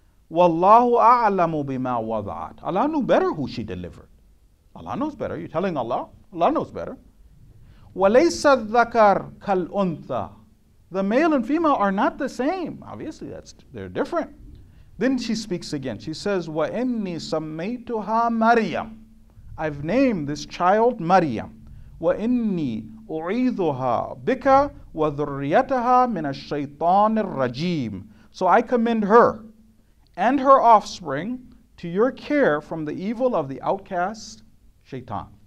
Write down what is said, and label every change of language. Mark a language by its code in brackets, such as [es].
[ar] Wallahu a'lamu bima wada'at. [en] Allah knew better who she delivered. Allah knows better. You're telling Allah? Allah knows better. [ar] وَلَيْسَ الذَّكَرُ كَالْأُنْثَى. [en] The male and female are not the same. Obviously, they're different. Then she speaks again. She says, [ar] وَإِنِّي سَمَّيْتُهَا مَرْيَمَ. [en] I've named this child Maryam. [ar] وَإِنِّي أُعِيذُهَا بِكَ وَذُرِّيَّتَهَا مِنَ الشَّيْطَانِ الرَّجِيمِ. [en] So I commend her and her offspring to your care from the evil of the outcast, Shaitan.